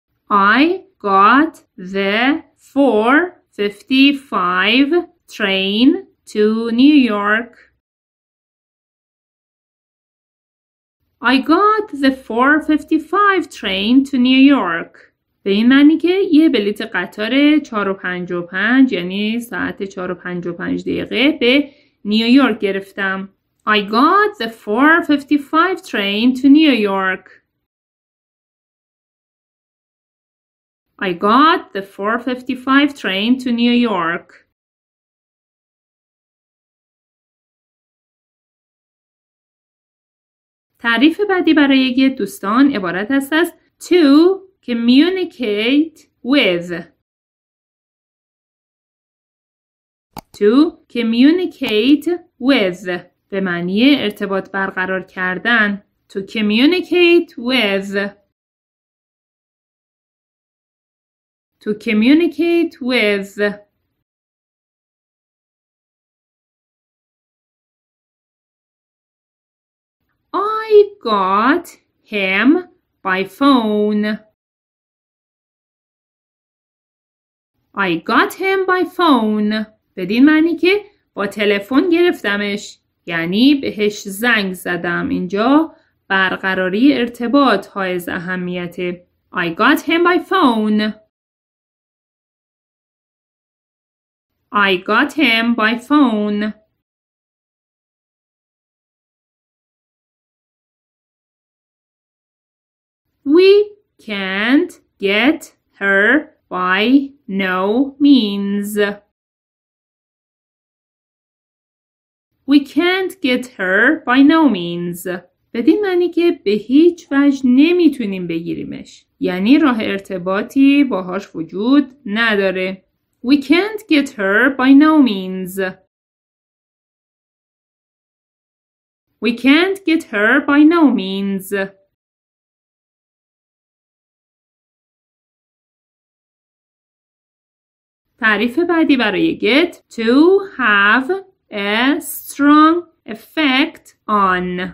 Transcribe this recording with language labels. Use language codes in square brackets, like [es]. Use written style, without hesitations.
[en] I got the 4:55 train to New York. I got the 4:55 train to New York. [fa] به این معنی که یه بلیت قطار 4:55 یعنی ساعت 4:55 دقیقه به نیویورک گرفتم. [en] I got the 4:55 train to New York. I got the 4:55 train to New York. [fa] تعریف بعدی برای یه دوستان عبارت است از [en] to communicate with. To communicate with [fa] به معنی ارتباط برقرار کردن. [en] To communicate with. To communicate with. I got him by phone. I got him by phone. [fa] بدین معنی که با تلفن گرفتمش، یعنی بهش زنگ زدم. اینجا برقراری ارتباط حائز اهمیته. [en] I got him by phone. I got him by phone. We can't get her by no means. We can't get her by no means. [fa] بدین معنی که به هیچ وجه نمیتونیم بگیریمش. یعنی راه ارتباطی باهاش وجود نداره. [en] We can't get her by no means. We can't get her by no means. [fa] تعریف بعدی برای [en] get to have a strong effect on.